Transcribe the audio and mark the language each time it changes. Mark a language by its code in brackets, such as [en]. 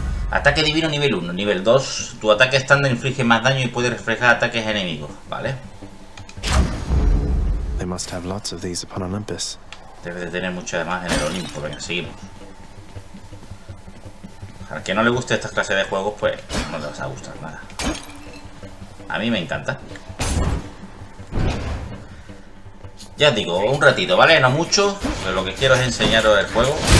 [es] Ataque divino nivel 1, nivel 2. Tu ataque estándar inflige más daño y puede reflejar ataques enemigos, ¿vale? [en] They must have lots of these upon Olympus. [es] Debe de tener mucho más en el Olimpo. Venga, seguimos. Al que no le guste esta clase de juegos, pues no le va a gustar nada. A mí me encanta. Ya os digo, un ratito, ¿vale? No mucho, pero lo que quiero es enseñaros el juego.